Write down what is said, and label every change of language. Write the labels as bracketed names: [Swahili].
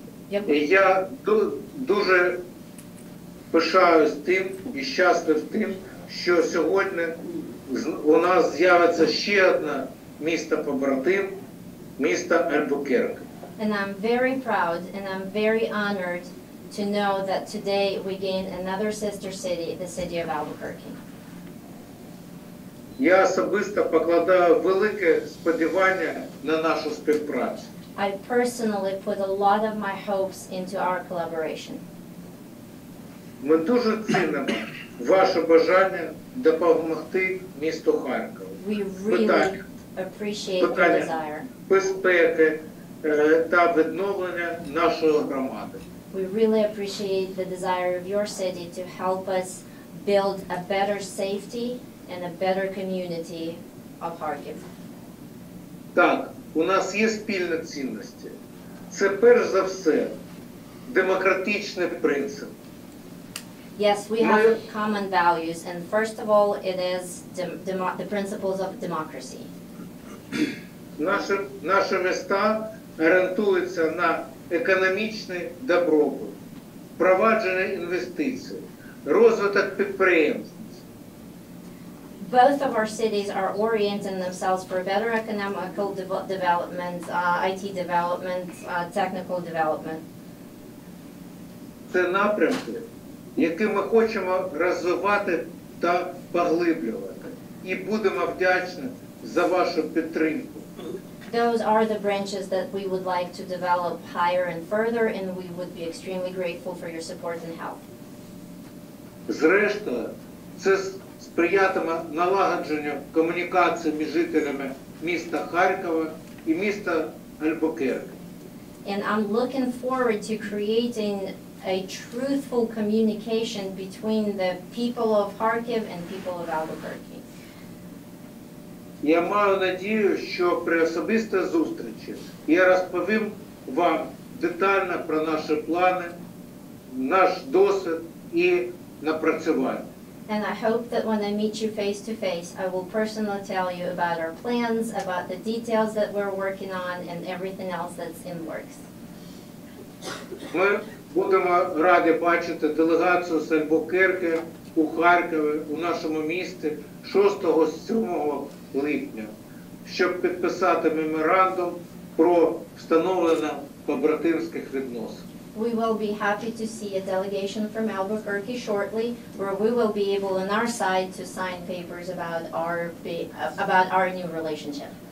[Ukrainian] Я дуже пишаюсь тим і щаслив тим, що сьогодні у нас з'явиться ще одне місто-побратим, місто Альбукерке. [English] And I'm very proud and I'm very honored to know that today we gain another sister city, the city of Albuquerque. [Ukrainian] Я особисто покладаю велике сподівання на нашу співпрацю. [English] I personally put a lot of my hopes into our collaboration. [Ukrainian] Ми дуже цінимо ваше бажання допомогти місту Харкову. [English] We really appreciate your desire. [Ukrainian] Безпеки та відновлення нашої громади. [English] We really appreciate the desire of your city to help us build a better safety and a better community of Kharkiv. [Ukrainian] Так, у нас є спільні цінності. Це перш за все демократичні принципи. [English] Yes, we have common values, and first of all, it is the principles of democracy. [Ukrainian] Наші міста орієнтуються на економічний добробут, впровадження інвестицій, розвиток підприємств. [English] Both of our cities are orienting themselves for better economical development, IT development, technical development. [Ukrainian] Це напрямки, які ми хочемо розвивати та поглиблювати. І будемо вдячні за вашу підтримку. [English] Those are the branches that we would like to develop higher and further, and we would be extremely grateful for your support and help. [Ukrainian] Зрештою, це сприятиме налагодженню комунікації між жителями міста Харкова і міста Альбукерке. [English] And I'm looking forward to creating a truthful communication between the people of Kharkiv and people of Albuquerque. [Ukrainian] Я маю надію, що при особистій зустрічі я розповім вам детально про наші плани, наш досвід і напрацювання. [English] And I hope that when I meet you face to face, I will personally tell you about our plans, about the details that we're working on, and everything else that's in works. [Ukrainian] Ми будемо раді бачити делегацію з Альбукерке у Харкові, у нашому місті 6-7 липня, щоб підписати меморандум про встановлення побратимських відносин. [English] We will be happy to see a delegation from Albuquerque shortly, where we will be able on our side to sign papers about our new relationship.